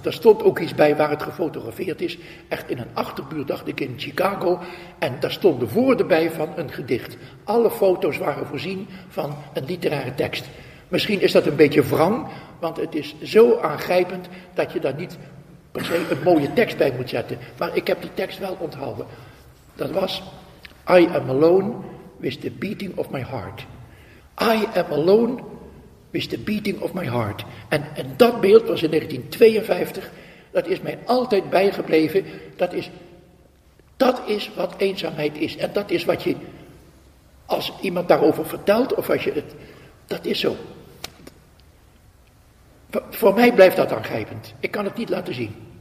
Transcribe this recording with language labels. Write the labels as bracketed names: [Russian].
[Dutch] Daar stond ook iets bij waar het gefotografeerd is. Echt in een achterbuurt, dacht ik, in Chicago. En daar stonden woorden bij van een gedicht. Alle foto's waren voorzien van een literaire tekst. Misschien is dat een beetje wrang, want het is zo aangrijpend dat je daar niet per se een mooie tekst bij moet zetten. Maar ik heb die tekst wel onthouden. Dat was: [English] I am alone with the beating of my heart. I am alone with the beating of my heart. [Dutch] En dat beeld was in 1952. Dat is mij altijd bijgebleven. Dat is wat eenzaamheid is. En dat is wat je, als iemand daarover vertelt, of als je het, dat is zo. Voor mij blijft dat aangrijpend. Ik kan het niet laten zien.